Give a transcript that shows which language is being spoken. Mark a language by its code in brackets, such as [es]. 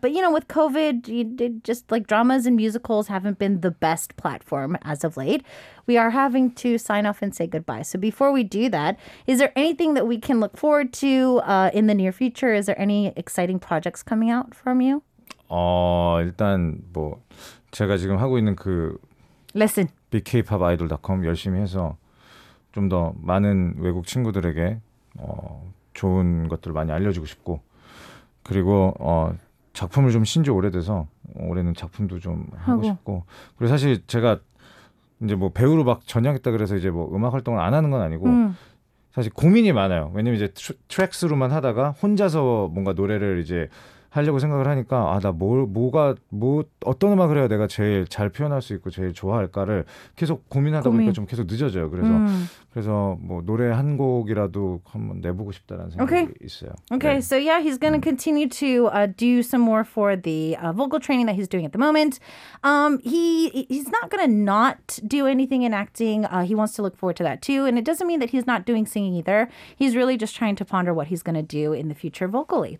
[en] But, you know, with COVID, you did just like dramas and musicals haven't been the best platform as of late. We are having to sign off and say goodbye. So before we do that, is there anything that we can look forward to in the near future? Is there any exciting projects coming out from you? [ko] 일단 뭐 제가 지금 하고 있는 그 레슨 bigkpopidol.com 열심히 해서 좀 더 많은 외국 친구들에게 좋은 것들을 많이 알려주고 싶고 그리고 작품을 좀 신지 오래돼서 올해는 작품도 좀 하고 싶고 그리고 사실 제가 이제 뭐 배우로 막 전향했다 그래서 이제 뭐 음악 활동을 안 하는 건 아니고 사실 고민이 많아요. 왜냐면 이제 트랙스로만 하다가 혼자서 뭔가 노래를 이제 하려고 생각을 하니까 아 나 어떤 음악을 해야 내가 제일 잘 표현할 수 있고 제일 좋아할까를 계속 고민하다 보니까 좀 계속 늦어져요. 그래서 그래서 뭐 노래 한 곡이라도 한번 내보고 싶다라는 생각이 있어요. [en] Okay. [ko] 네. [en] So yeah, he's going to continue to do some more for the vocal training that he's doing at the moment. He's not going to not do anything in acting. He wants to look forward to that too, and it doesn't mean that he's not doing singing either. He's really just trying to ponder what he's going to do in the future vocally.